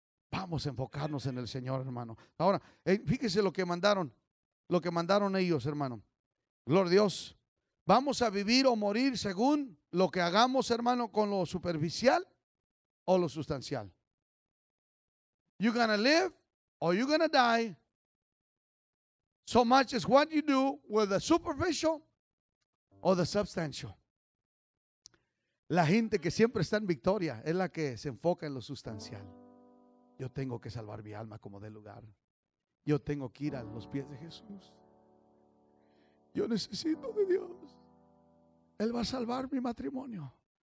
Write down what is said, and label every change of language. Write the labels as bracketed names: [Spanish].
[Spanish] Vamos a enfocarnos en el Señor, hermano. Ahora, fíjese lo que mandaron ellos, hermano. Gloria a Dios. ¿Vamos a vivir o morir según lo que hagamos, hermano, con lo superficial o lo sustancial? [English] You gonna live or you gonna die So much as what you do with the superficial or the substantial. [Spanish] La gente que siempre está en victoria es la que se enfoca en lo sustancial. Yo tengo que salvar mi alma como de lugar. Yo tengo que ir a los pies de Jesús. Yo necesito de Dios. Él va a salvar mi matrimonio.